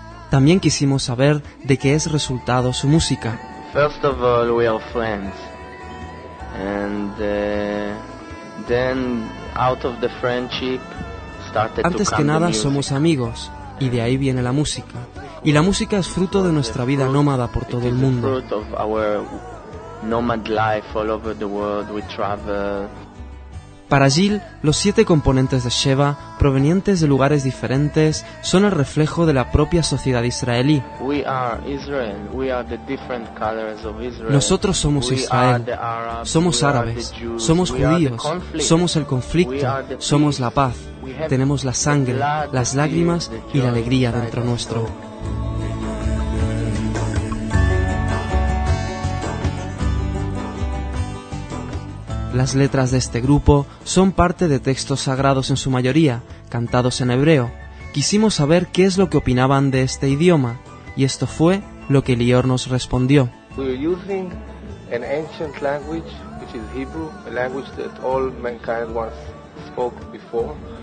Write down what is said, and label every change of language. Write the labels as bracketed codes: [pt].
[es] También quisimos saber de qué es resultado su música. [en] First of all, we are friends. And then out of the friendship started to come. [es] Antes que nada somos amigos. Y de ahí viene la música. Y la música es fruto de nuestra vida nómada por todo el mundo. Para Gil, los 7 componentes de Sheva, provenientes de lugares diferentes, son el reflejo de la propia sociedad israelí. Nosotros somos Israel, somos árabes, somos judíos, somos el conflicto, somos la paz. Tenemos la sangre, las lágrimas y la alegría dentro nuestro. Las letras de este grupo son parte de textos sagrados en su mayoría, cantados en hebreo. Quisimos saber qué es lo que opinaban de este idioma, y esto fue lo que Lior nos respondió. [en] We're using an ancient language, which is Hebrew, a language that all mankind once spoke before.